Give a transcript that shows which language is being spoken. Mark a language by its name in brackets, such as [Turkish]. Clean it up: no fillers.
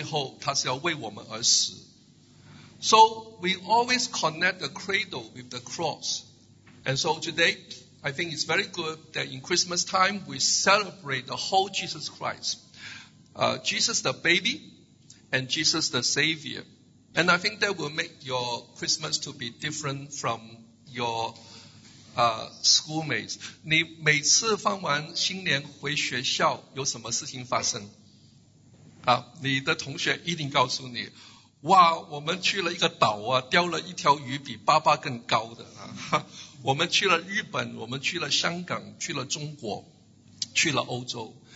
[Chinese] 圣经真的是说基督是为我们而生的。所以基督的生也是代表了他最后他是要为我们而死。 [English] So we always connect the cradle with the cross. And so today, I think it's very good that in Christmas time, we celebrate the whole Jesus Christ. Jesus the baby, and Jesus the Savior. And I think that will make your Christmas to be different from your schoolmates. [Chinese] 你每次放完新年回学校，有什么事情发生？啊，你的同学一定告诉你，哇，我们去了一个岛啊，钓了一条鱼比爸爸更高的啊。我们去了日本，我们去了香港，去了中国，去了欧洲。